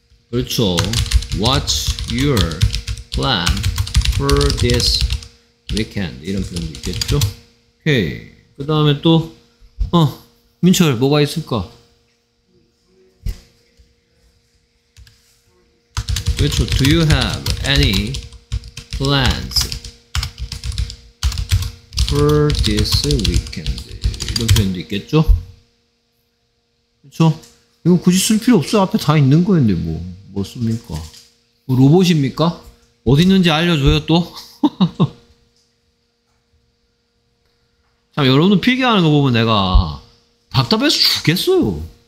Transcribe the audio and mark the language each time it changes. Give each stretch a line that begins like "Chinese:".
Korean: 그렇죠.
English: What's your plan for this weekend?
Korean: 이런 표현도 있겠죠? 헤이. 그 다음에 또 민철 뭐가 있을까? 그렇죠.
English: Do you have any plans for this weekend?
Korean: 이런 표현도 있겠죠? 그렇죠? 이거 굳이 쓸 필요 없어요. 앞에 다 있는 거인데 뭐. 뭐 씁니까? 로봇입니까? 어디 있는지 알려줘요 또? 참 여러분들 필기하는 거 보면 내가 답답해서 죽겠어요.